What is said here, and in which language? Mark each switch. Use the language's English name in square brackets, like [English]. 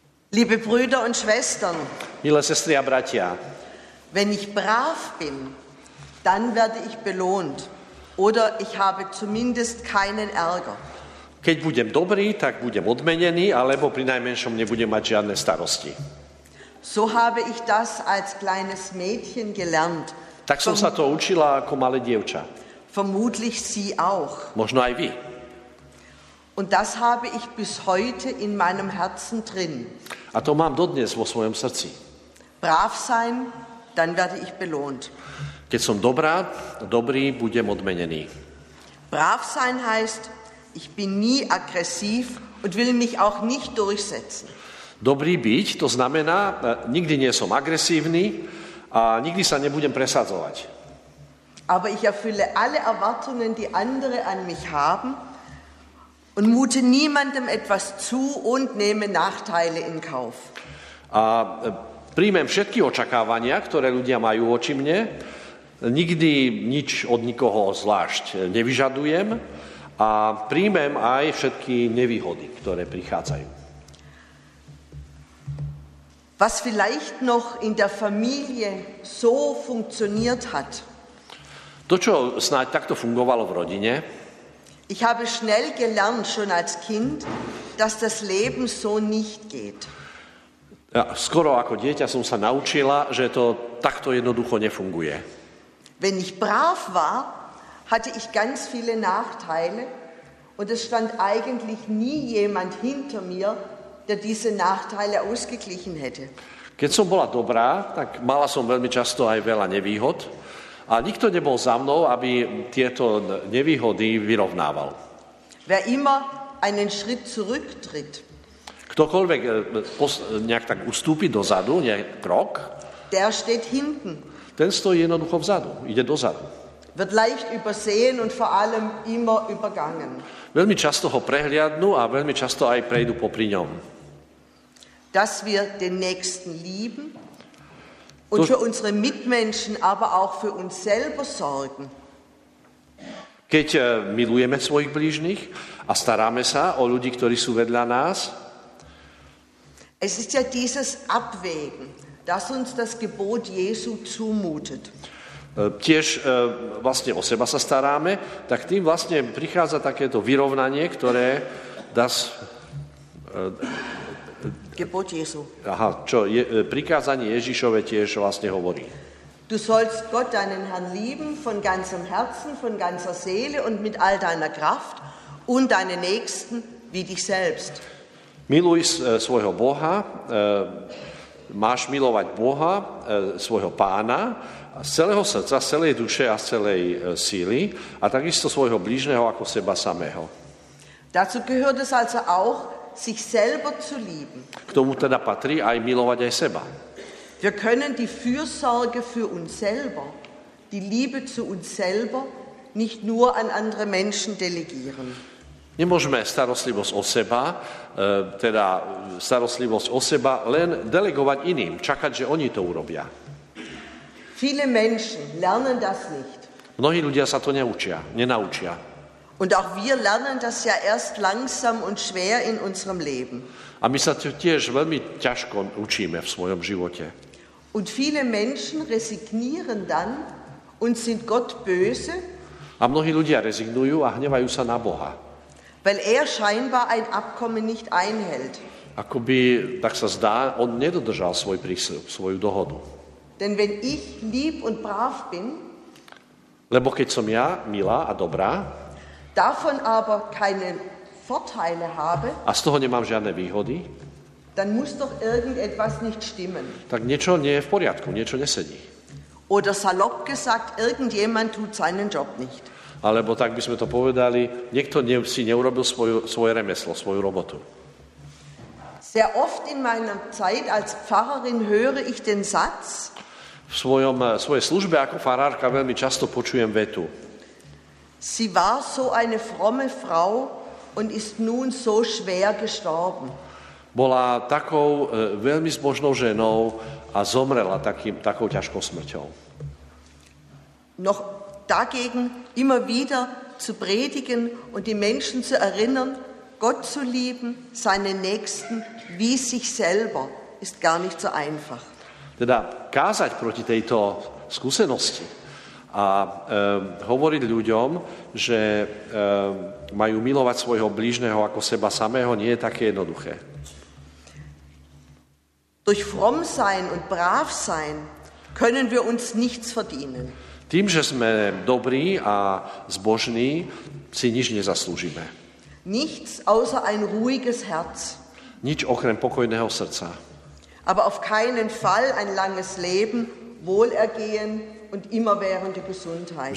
[German] Liebe Brüder und Schwestern, [Slovak] milé sestry a bratia, [German] wenn ich brav bin, dann werde ich belohnt oder ich habe zumindest keinen Ärger. [Slovak] Keď budem dobrý, tak budem odmenený, alebo pri najmenšom nebudem mať žiadne starosti. [German] So habe ich das als kleines Mädchen gelernt. [Slovak] Tak som sa to učila ako malé dievča. [German] Vermutlich Sie auch. [Slovak] Možno aj vy. [German] Und das habe ich bis heute in meinem Herzen drin. [Slovak] A to mám dodnes vo svojom srdci. [German] Brav sein, dann werde ich belohnt. [Slovak] Keď som dobrá, dobrý, budem odmenený. [German] Brav sein heißt, ich bin nie aggressiv und will mich auch nicht durchsetzen. [Slovak] Dobrý byť, to znamená, nikdy nie som agresívny a nikdy sa nebudem presadzovať. [German] Aber ich erfülle alle Erwartungen, die andere an mich haben, und mute niemandem etwas zu und nehme Nachteile in Kauf. [Slovak] A príjmem všetky očakávania, ktoré ľudia majú voči mne, nikdy nič od nikoho zvlášť nevyžadujem a príjmem aj všetky nevýhody, ktoré prichádzajú. [German] Was vielleicht noch in der Familie so funktioniert hat. [Slovak] To, čo snáď takto fungovalo v rodine. [German] Ich habe schnell gelernt schon als Kind, dass das Leben so nicht geht. [Slovak] Ja, skoro ako dieťa som sa naučila, že to takto jednoducho nefunguje. [German] Wenn ich brav war, hatte ich ganz viele Nachteile und es stand eigentlich nie jemand hinter mir, der diese Nachteile ausgeglichen hätte. [Slovak] Keď som bola dobrá, tak mala som veľmi často aj veľa nevýhod. A nikto nebol za mnou, aby tieto nevýhody vyrovnával. [German] Wer immer einen Schritt zurücktritt. [Slovak] Ktokoľvek nejak tak ustúpi dozadu, nejak krok. [German] Der steht hinten. [Slovak] Ten stojí jednoducho vzadu, ide dozadu. [German] Wird leicht übersehen und vor allem immer übergangen. [Slovak] Veľmi často ho prehliadnu a veľmi často aj prejdu popri ňom. [German] Dass wir den Nächsten lieben. Und für unsere Mitmenschen, aber auch für uns selber sorgen. [Slovak] Keď milujeme svojich blížnych a staráme sa o ľudí, ktorí sú vedľa nás. [German] Es ist ja dieses Abwägen, das uns das Gebot Jesu zumutet. [Slovak] Tiež vlastne o seba sa staráme, tak tým vlastne prichádza takéto vyrovnanie, ktoré [German] das... Gebot Jesu. [Slovak] Aha, čo je, prikázanie Ježišove tiež vlastne hovorí. [German] Du sollst Gott, deinen Herrn, lieben von ganzem Herzen, von ganzer Seele und mit all deiner Kraft und deine Nächsten wie dich selbst. [Slovak] Miluj svojho Boha, máš milovať Boha, svojho pána, z celého srdca, z celej duše a z celej síly a takisto svojho blížneho ako seba samého. [German] Dazu gehört es also auch, sich selber zu lieben. [Slovak] K tomu teda patrí aj milovať aj seba. [German] Wir können die Fürsorge für uns selber, die Liebe zu uns selber, nicht nur an andere Menschen delegieren. [Slovak] Nemôžeme starostlivosť o seba, teda starostlivosť o seba, len delegovať iným, čakať, že oni to urobia. [German] Viele Menschen lernen das nicht. [Slovak] Mnohí ľudia sa to neučia, nenaučia. [German] Und auch wir lernen das ja erst langsam und schwer in unserem Leben. [Slovak] A my sa tiež veľmi ťažko učíme v svojom živote. [German] Und viele Menschen resignieren dann und sind Gott böse. [Slovak] A mnohí ľudia rezignujú a hnevajú sa na Boha. [German] Weil scheinbar ein Abkommen nicht einhält. [Slovak] Akoby, tak sa zdá, on nedodržal svoj prísľub, svoju dohodu. [German] Denn wenn ich lieb und brav bin, [Slovak] lebo keď som ja milá a dobrá, [German] davon aber keine Vorteile habe, [Slovak] a z toho nemám žiadne výhody, [German] dann muss doch irgendetwas nicht stimmen. [Slovak] Tak niečo nie je v poriadku, niečo nesedí. [German] Oder salopp gesagt, irgendjemand tut seinen Job nicht. [Slovak] Alebo tak by sme to povedali, niekto si neurobil svoje remeslo, svoju robotu. [German] Sehr oft in meiner Zeit als Pfarrerin höre ich den Satz. [Slovak] V svojej službe ako farárka veľmi často počujem vetu. [German] Sie war so eine fromme Frau und ist nun so schwer gestorben. [Slovak] Bola takou veľmi zbožnou ženou a zomrela takou ťažkou smrťou. [German] Noch dagegen immer wieder zu predigen und die Menschen zu erinnern, Gott zu lieben, seine Nächsten wie sich selber, ist gar nicht so einfach. [Slovak] Teda kázať proti tejto skúsenosti a hovoriť ľuďom, že majú milovať svojho blížneho ako seba samého, nie je také jednoduché. [German] Durch fromm sein und brav sein können wir uns nichts verdienen. [Slovak] Tým, že sme dobrí a zbožní, si nič nezaslúžime. [German] Nichts außer ein ruhiges Herz. [Slovak] Nič okrem pokojného srdca. [German] Aber auf keinen Fall ein langes Leben, Wohlergehen und immerwährende Gesundheit.